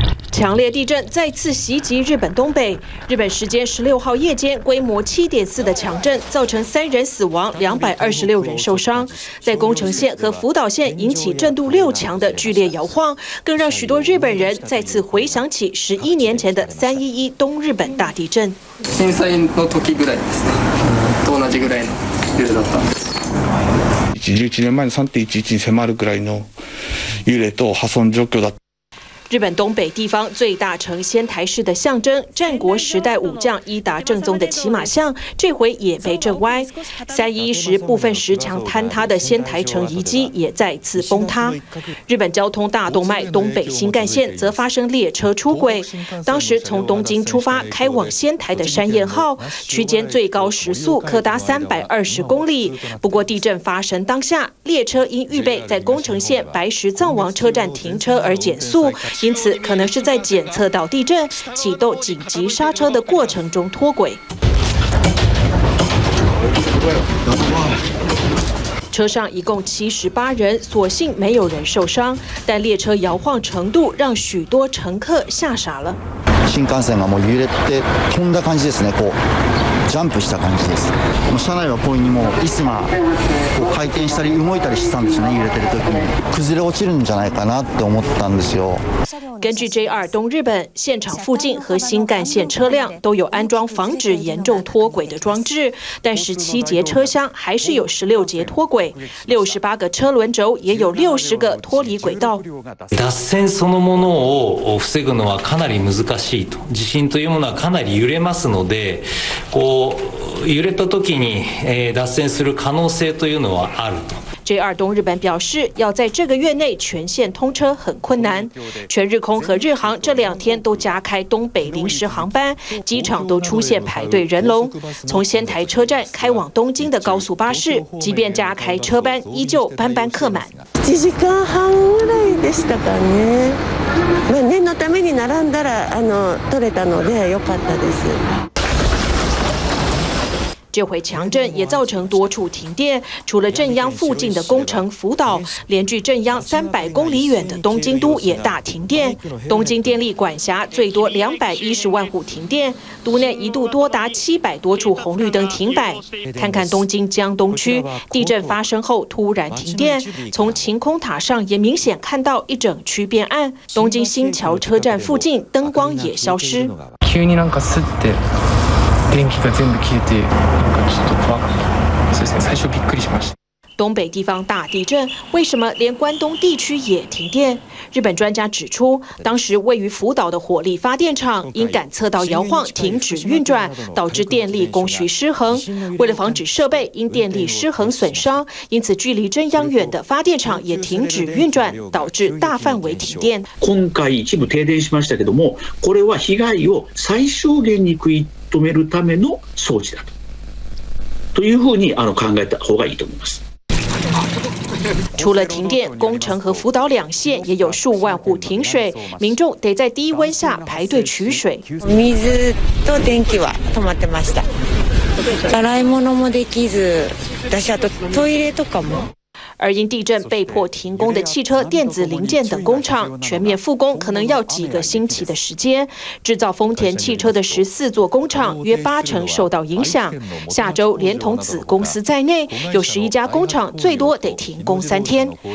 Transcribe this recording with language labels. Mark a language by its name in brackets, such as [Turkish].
[Chinese] 强烈地震再次袭击日本东北，日本时间16号夜间规模7.4的强震造成3人死亡，226人受伤，在宫城县和福岛县引起震度6强的剧烈摇晃，更让许多日本人再次回想起11年前的311东日本大地震。 [Japanese] 震災の時ぐらいですね。と同じぐらいの揺れだった。 11年前の3.11に迫るぐらいの揺れと破損状況だった。 [Chinese] 日本东北地方最大城仙台市的象征，战国时代武将伊达正宗的骑马像，这回也被震歪。 311时部分石墙坍塌的仙台城遗迹也再次崩塌。日本交通大动脉东北新干线则发生列车出轨，当时从东京出发开往仙台的山彦号区间最高时速可达320公里，不过地震发生当下，列车因预备在宫城县白石藏王车站停车而减速，因此可能是在检测到地震启动紧急刹车的过程中脱轨。车上一共78人，所幸没有人受伤，但列车摇晃程度让许多乘客吓傻了。 [Japanese] 新幹線がもう揺れて飛んだ感じですね。こうジャンプした感じです。もう車内はこういうにもう椅子がこう回転したり動いたりしたんですよね。揺れてる時に崩れ落ちるんじゃないかなって思ったんですよ。 [Chinese] 根据 JR 东日本，现场附近和新干线车辆都有安装防止严重脱轨的装置，但17节车厢还是有16节脱轨。 68个车轮轴也有60个脱离轨道。 [Japanese] 脱線そのものを防ぐのはかなり難しいと。地震というものはかなり揺れますので、こう揺れた時に脱線する可能性というのはあると。 [Chinese] JR 东日本表示，要在这个月内全线通车很困难。全日空和日航这两天都加开东北临时航班，机场都出现排队人龙。从仙台车站开往东京的高速巴士，即便加开车班，依旧班班客满。 [Japanese] 一時間半ぐらいでしたかね。まあ念のために並んだら取れたので良かったです。 [Chinese] 这回强震也造成多处停电，除了震央附近的宫城、福岛，连距震央300公里远的东京都也大停电。东京电力管辖最多210万户停电，都内一度多达700多处红绿灯停摆。看看东京江东区，地震发生后突然停电，从晴空塔上也明显看到一整区变暗。东京新桥车站附近灯光也消失。 [Japanese] 急になんかすって。電気が全部消えて、なんかちょっと怖かった。そうですね、最初びっくりしました。 [Chinese] 东北地方大地震，为什么连关东地区也停电？日本专家指出，当时位于福岛的火力发电厂因感测到摇晃停止运转，导致电力供需失衡。为了防止设备因电力失衡损伤，因此距离真央远的发电厂也停止运转，导致大范围停电。 [Japanese] 今回一部停电しましたけども、これは被害を最小限に食い止めるための装置だと。というふうに考えた方がいいと思います。 [Chinese] 除了停电，宫城和福岛两县也有数万户停水，民众得在低温下排队取水。 [Japanese] 水と電気は止まってました。洗い物もできず、私あとトイレとかも。 [Chinese] 而因地震被迫停工的汽车、电子零件等工厂全面复工，可能要几个星期的时间。制造丰田汽车的14座工厂约80%受到影响。下周连同子公司在内，有11家工厂最多得停工3天。